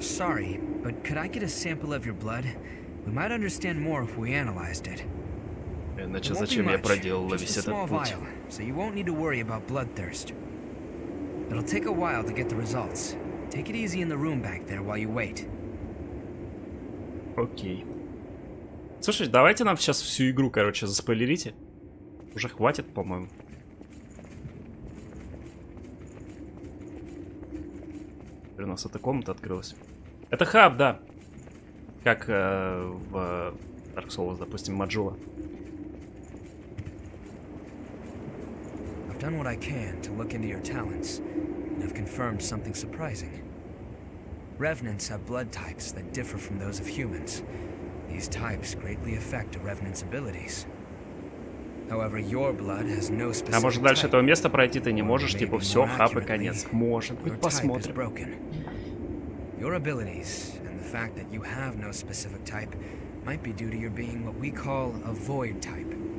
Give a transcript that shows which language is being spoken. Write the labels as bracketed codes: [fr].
[en] Sorry, but could I get a sample of your blood? We might understand more if we analyzed it. [ru] Иначе зачем я проделал весь этот путь? [en] So you won't need to worry about bloodthirst. It'll take a while to get the results. Take it easy in the room back there while you wait. [ru] Окей. Слушай, давайте нам сейчас всю игру, короче, заспойлерите. Уже хватит, по-моему. У нас эта комната открылась. Это хаб, да. Как в Dark Souls, допустим, Маджула. [en] I've done what I can to look into your talents and have confirmed something surprising. Revenants have blood types that differ from those of humans. These types greatly affect a revenant's abilities. However, your blood has no specific. [ru] А может дальше этого места пройти ты не можешь, типа все, хаб и конец. Может быть, посмотрим. [en] Your abilities and the fact that you have no specific type might be due to your being what we call a void type.